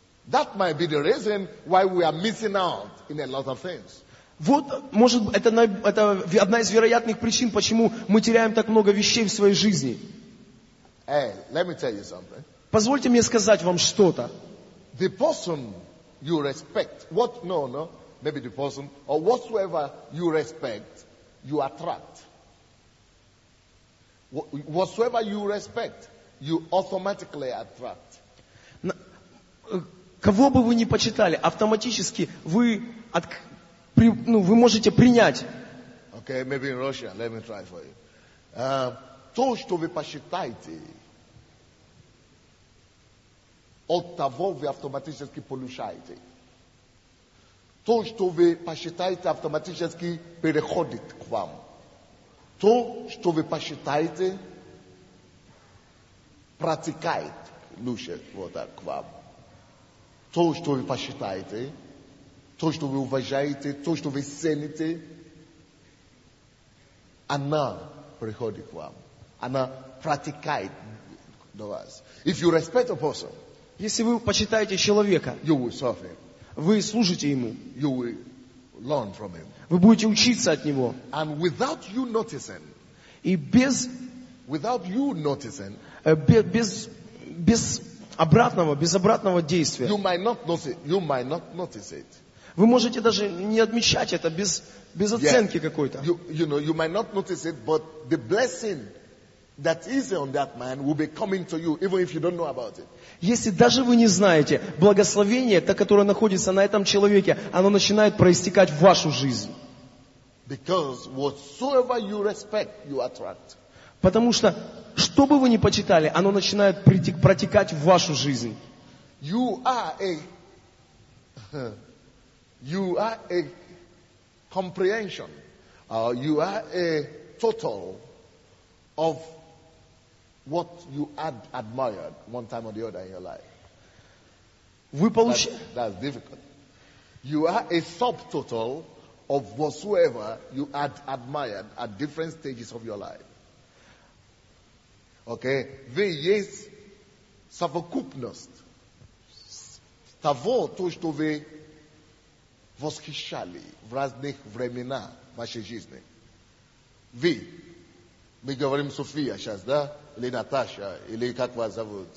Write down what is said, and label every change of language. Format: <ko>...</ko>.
<en>That might be the reason why we are missing out in a lot of things.</en> <ru>Вот, может, это одна из вероятных причин, почему мы теряем так много вещей в своей жизни.</ru> <en>Hey, let me tell you something.</en> <ru>Позвольте мне сказать вам что-то.</ru> <en>The person you respect, maybe the person, or whatsoever you respect, you attract. Whatsoever you respect, you automatically attract.</en> <ru>Кого бы вы ни почитали, автоматически вы вы можете принять.</ru> <en>Okay, maybe in Russia, let me try for you.</en> <ru>То, что вы посчитаете, от того вы автоматически получаете. То, что вы посчитаете, автоматически переходит к вам. То, что вы посчитаете, протекает лучше вот так к вам. То, что вы посчитаете, то, что вы уважаете, то, что вы цените, она приходит к вам. Она протекает до вас.</ru> <en>If you respect a person,</en> <ru>если вы почитаете человека,</ru> <en>you will serve him.</en> <ru>Вы служите ему.</ru> <en>You will learn from him.</en> <ru>Вы будете учиться от него.</ru> <en>And without you noticing,</en> <ru>и без,</ru> <en>without you noticing,</en> <ru>без обратного действия,</ru> <en>you might not notice it.</en> <ru>Вы можете даже не отмечать это без оценки</ru> <en>yes.</en> <ru>какой-то.</ru> <en>You might not notice it, but the blessing that is on that man will be coming to you, even if you don't know about it.</en> <ru>Если даже вы не знаете, благословение, то, которое находится на этом человеке, оно начинает проистекать в вашу жизнь.</ru> <en>Because whatsoever you respect, you attract.</en> <ru>Потому что, что бы вы ни почитали, оно начинает протекать в вашу жизнь.</ru> <en>You are a comprehension. You are a total of what you had admired one time or the other in your life. That's difficult. You are a subtotal of whatsoever you had admired at different stages of your life. Okay?</en> <ru>Вы есть совокупность того, то, что вы восхищали в разных временах вашей жизни. Мы говорим София сейчас, да? Или Наташа, или как вас зовут?</ru>